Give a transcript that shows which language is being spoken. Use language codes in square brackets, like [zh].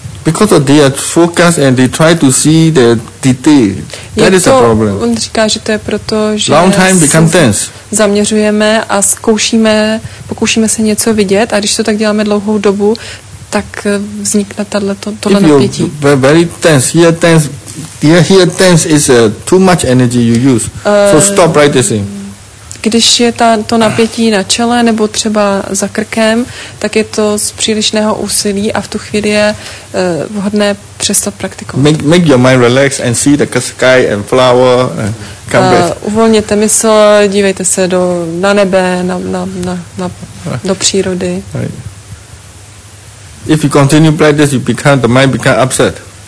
[en] Because they are focused and they try to see the detail. That is a problem. [cs] On říká, že to je proto, že [en] long time become tense. [cs] Zaměřujeme a zkoušíme, pokoušíme se něco vidět a když to tak děláme dlouhou dobu, tak vznikne tohle napětí. [en] Very tense, here tense is too much energy you use. So stop practicing. [cs] Když je to napětí na čele nebo třeba za krkem, tak je to z přílišného úsilí a v tu chvíli je vhodné přestat praktikovat. [en] Make your mind relax and see the sky and flower and come back. [cs] Uvolněte mysl, dívejte se na nebe, na do přírody. [en] Right. If you continue like this, the mind become upset.